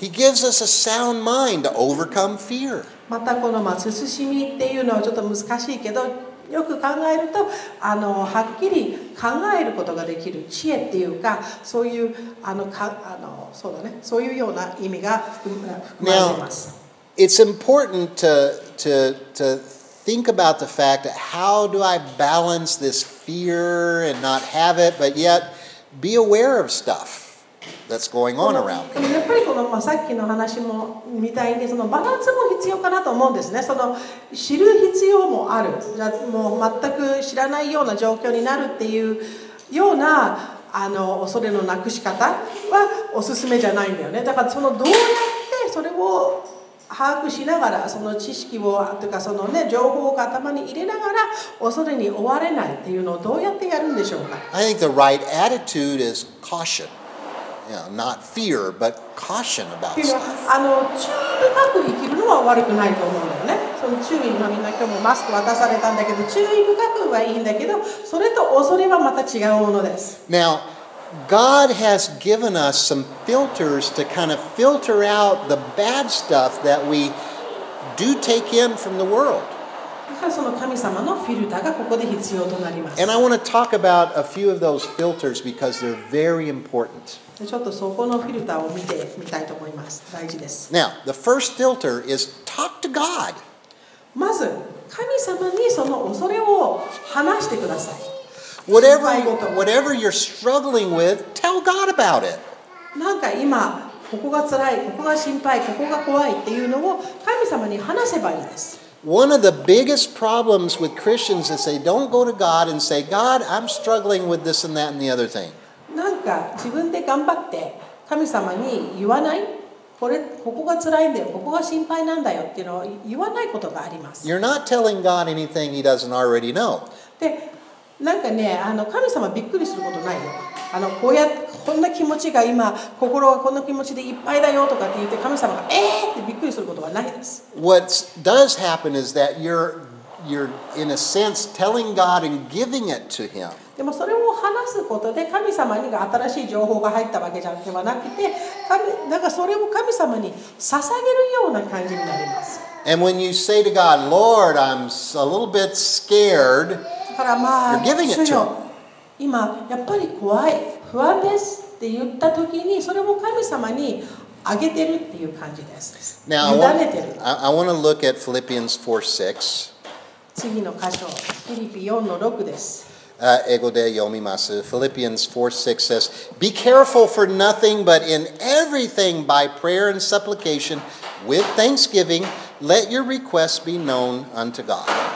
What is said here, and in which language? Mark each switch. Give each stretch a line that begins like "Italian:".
English: He gives us a sound mind to overcome fear.
Japanese: またこの慎みっていうのはちょっと難しいけど、よく考えるとはっきり考えることができる知恵っていうか、そういうそうだね、そういうような意味が含まれます。
English: Now, it's important to think about the fact that how do I balance this fear and not have it, but yet be aware of stuff that's going on around me.
Japanese: やっぱりこの、まあ、さっきの話もみたいに、そのバランスも必要かなと思うんですね。その知る必要もある。もう全く知らないような状況になるっていうような恐れのなくし方はおすすめじゃないんだよね。だからそのどうやってそれを把握しながら、その知識をというかその、ね、情報を頭に入れながら恐れに追われないっていうのをどうやってやるんでしょうか。
English: I think the right attitude is caution. You know, not fear, but caution about stuff.
Japanese: 注意深く生きるのは悪くないと思うんだよね。その注意のみんな今日もマスク渡されたんだけど、注意深くはいいんだけど、それと恐れはまた違うものです。
English: Now,God has given us some filters to kind of filter out the bad stuff that we do take in from the world. And I want to talk about a few of those filters because they're very important. Now, the first filter is talk to God.
Japanese: まず、神様にその恐れを話してください。
English: Whatever you're struggling with, tell God about it.
Japanese: なんか今ここが辛い、ここが心配、ここが怖いっていうのを神様に話せばいいです。
English: One of the biggest problems with Christians is they don't go to God and say, God, I'm struggling with this and that and the other thing.
Japanese: なんか自分で頑張って神様に言わない、これここが辛いんだよ、ここが心配なんだよっていうのを言わないことがあります。
English: You're not telling God anything He doesn't already know.
Japanese: で、なんかね、神様びっくりすることないよ。こうや、こんな気持ちが今、心がこんな気持ちでいっぱいだよとかって言って、神様がってびっくりすることはないです。
English: What does happen is that you're in a sense telling God and giving it to him.
Japanese: でもそれを話すことで神様に新しい情報が入ったわけじゃではなくて、なんかそれを神様に捧げるような感じになります。
English: And when you say to God, Lord, I'm a little bit scared, you're giving it to him.
Japanese: 今やっぱり怖い、不安ですって言った時に、それを神様にあげてるっていう感じです。
English: Now,
Japanese: 委ねてる。
English: I want to look at Philippians 4:6.
Japanese: 次の箇所、フィリピ4の6です。英語で読みます。
English: Philippians 4:6 says, Be careful for nothing, but in everything by prayer and supplication, with thanksgiving, let your requests be known unto God.